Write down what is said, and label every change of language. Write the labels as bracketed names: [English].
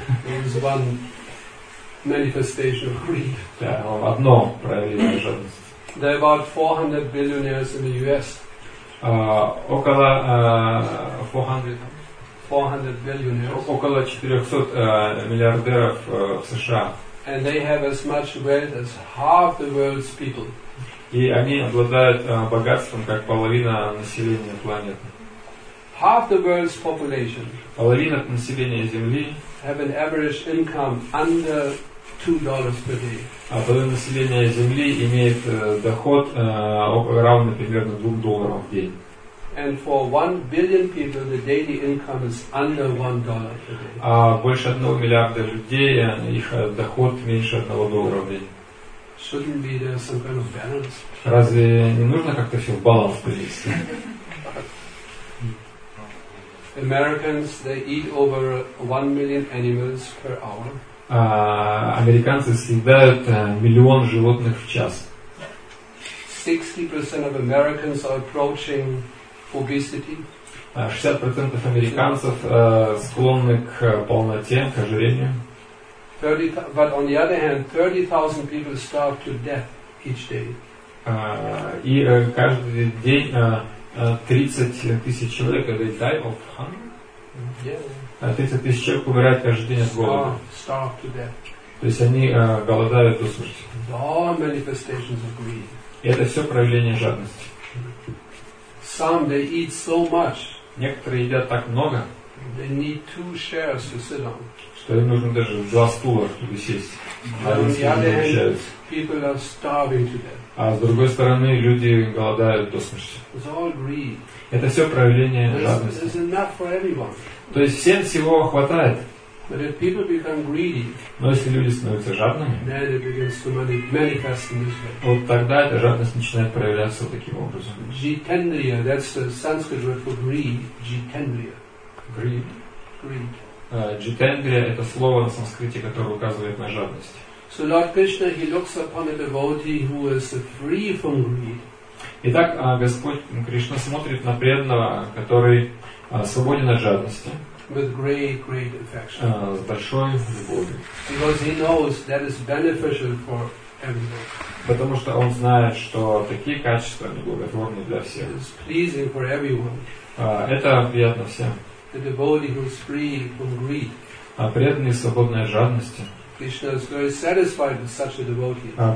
[English] It is one manifestation of greed. [Russian] Да, одно проявление жадности. [English] There are about 400 billionaires in the US. [Russian] Около 400. [English] 400 billionaires. [Russian] Около 400 миллиардеров в США. [English] And they have as much wealth as half the world's people. [Russian] И они обладают богатством как половина населения планеты. [English] Half the world's population. [Russian] Половина населения Земли. [English] Have an average income under $2 per day. [Russian] А половина населения Земли имеет доход равный примерно $2 в день. [English] And for 1 billion people, the daily income is under $1 per day. [Russian] Больше 1 миллиарда людей, их доход меньше $1 в день. [English] Shouldn't be there some kind of balance? [Russian] Разве не нужно как-то все в баланс привести? [English] Americans, they eat over 1 million animals per hour. [Russian] Американцы съедают 1 миллион животных в час. [English] 60% of Americans are approaching obesity. [Russian] 60% американцев склонны к полноте, к ожирению. [English] But on the other hand, 30,000 people starve to death each day. [Russian] И каждый день 30,000 человек, [English] they die of hunger? Yeah. [Russian] 30,000 человек умирают каждый день от голода. [English] Starve to death. [Russian] То есть они голодают до смерти. [English] All manifestations of greed. [Russian] И это все проявление жадности. [English] Some they eat so much. [Russian] Некоторые едят так много. [English] They need two chairs to sit on. [Russian] Что им нужно даже два стула, чтобы сесть. [English] On the other hand, people are starving to death. [Russian] А с другой стороны, люди голодают до смерти. [English] It's all greed. [Russian] Это все проявление жадности. [English] There's enough for everyone. [Russian] То есть всем всего хватает. [English] But if people become greedy, [Russian] но если люди становятся жадными, [English] then it begins to manifest in this way. [Russian] Вот тогда эта жадность начинает проявляться таким образом. [English] Jitendriya, that's the Sanskrit word for greed. Jitendriya. Greed. Greed. [Russian] Jitendriya – это слово на санскрите, которое указывает на жадность. [English] So Lord Krishna, he looks upon a devotee who is free from greed. [Russian] Итак, Господь Кришна смотрит на преданного, который свободен от жадности. [English] With great affection. [Russian] С большой любовью. [English] Because he knows that is beneficial for everyone. [Russian] Потому что он знает, что такие качества благотворны для всех. [English] It's pleasing for everyone. [Russian] Это приятно всем. [English] The devotee who is free from greed. [Russian] Преданный свободной жадности. [English] Krishna is very satisfied with such a devotee.